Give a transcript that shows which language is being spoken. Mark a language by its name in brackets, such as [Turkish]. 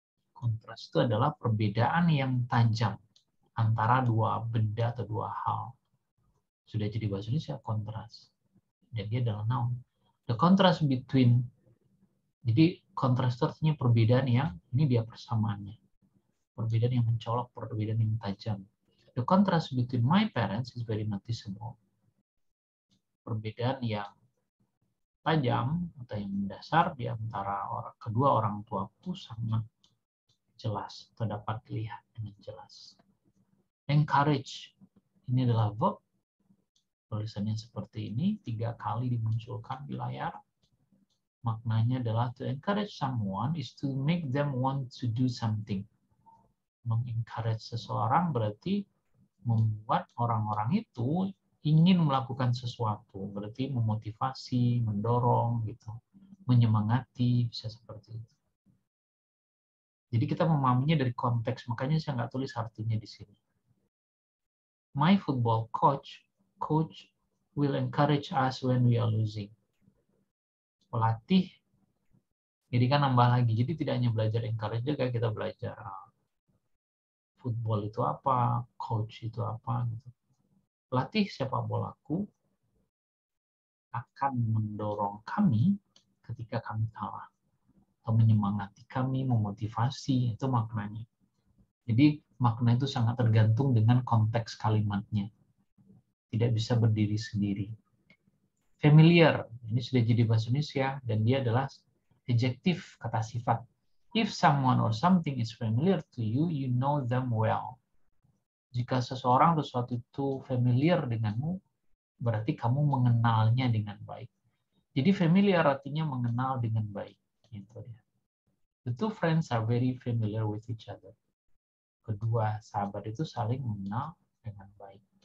[Indonesian] Kontras itu adalah perbedaan yang tajam antara dua benda atau dua hal. Sudah jadi bahasa Indonesia, kontras. Dan dia adalah noun. [English] The contrast between, [Indonesian] jadi kontras artinya perbedaan yang, ini dia persamaannya. Perbedaan yang mencolok, perbedaan yang tajam. [English] The contrast between my parents is very noticeable. [Indonesian] Perbedaan yang tajam atau yang mendasar di antara kedua orang tuaku sangat jelas atau dapat dilihat dengan jelas. Encourage, ini adalah verb. Tulisannya seperti ini, tiga kali dimunculkan di layar. Maknanya adalah [English] to encourage someone is to make them want to do something. [Indonesian] Meng-encourage seseorang berarti membuat orang-orang itu ingin melakukan sesuatu, berarti memotivasi, mendorong, gitu, menyemangati, bisa seperti itu. Jadi kita memahaminya dari konteks, makanya saya nggak tulis artinya di sini. [English] My football coach will encourage us when we are losing. [Indonesian] Pelatih, jadi kan nambah lagi, jadi tidak hanya belajar encourage, juga kita belajar football itu apa, coach itu apa, gitu. Pelatih sepak bolaku akan mendorong kami ketika kami kalah. Atau menyemangati kami, memotivasi, itu maknanya. Jadi makna itu sangat tergantung dengan konteks kalimatnya. Tidak bisa berdiri sendiri. Familiar, ini sudah jadi bahasa Indonesia, dan dia adalah adjective, kata sifat. [English] If someone or something is familiar to you, you know them well. [Indonesian] Jika seseorang atau sesuatu itu familiar denganmu, berarti kamu mengenalnya dengan baik. Jadi familiar artinya mengenal dengan baik. Gitu ya. [English] The two friends are very familiar with each other. [Indonesian] Kedua sahabat itu saling mengenal dengan baik.